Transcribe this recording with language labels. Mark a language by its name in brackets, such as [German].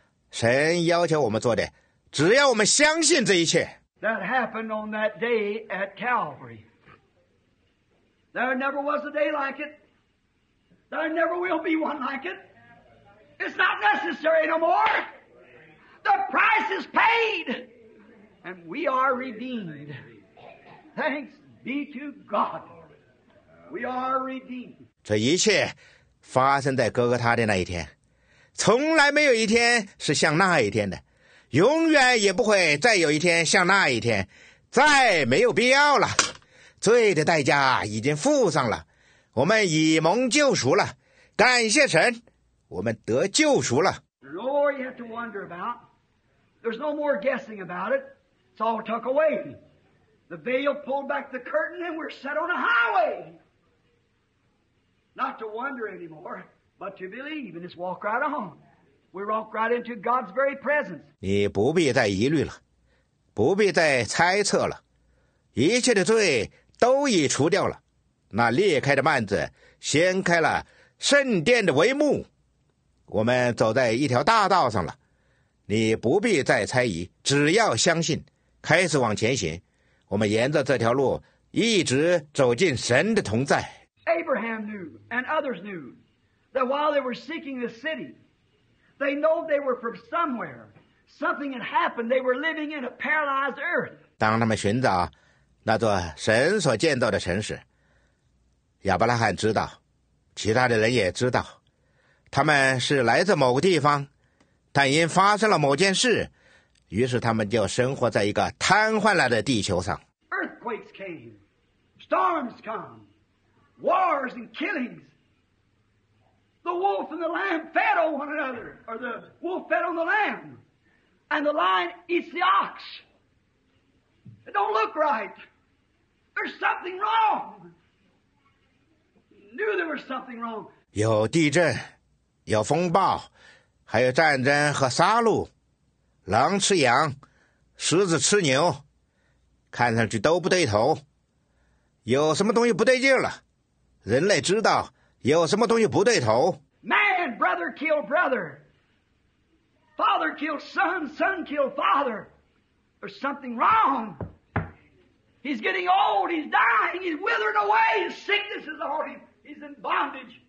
[Chinese] 神要求我们做的，只要我们相信这一切。 [English] That happened on that day at Calvary. There never was a day like it. There never will be one like it. It's not necessary no more. The price is paid. And we are redeemed. Thanks be to God. We are redeemed. [Chinese] 这一切发生在哥哥他的那一天。从来没有一天是像那一天的，永远也不会再有一天像那一天，再没有必要了。罪的代价已经付上了，我们已蒙救赎了，感谢神，我们得救赎了。 [English] There's no more you have to wonder about. There's no more guessing about it. It's all took away. The veil pulled back the curtain and we're set on a highway. Not to wonder anymore. But to believe and just walk right on. We walk right into God's very presence. [Chinese] 你不必再疑虑了，不必再猜测了，一切的罪都已除掉了。那裂开的幔子掀开了圣殿的帷幕，我们走在一条大道上了。你不必再猜疑，只要相信，开始往前行。我们沿着这条路一直走进神的同在。 [English] Abraham knew and others knew. That while they were seeking the city, they know they were from somewhere. Something had happened. They were living in a paralyzed earth. [Chinese] 当他们寻找那座神所建造的城市，亚伯拉罕知道，其他的人也知道，他们是来自某个地方，但因发生了某件事，于是他们就生活在一个瘫痪了的地球上。 [English] Earthquakes came, storms come, wars and killings. The wolf and the lamb fed on one another, or the wolf fed on the lamb, and the lion eats the ox. It don't look right. There's something wrong. Knew there was something wrong. [Chinese] 有地震，有风暴，还有战争和杀戮，狼吃羊，狮子吃牛，看上去都不对头。有什么东西不对劲了？人类知道有什么东西不对头。 [English] Man, brother killed brother. Father killed son, son killed father. There's something wrong. He's getting old, he's dying, he's withered away, his sickness is on him, he's in bondage.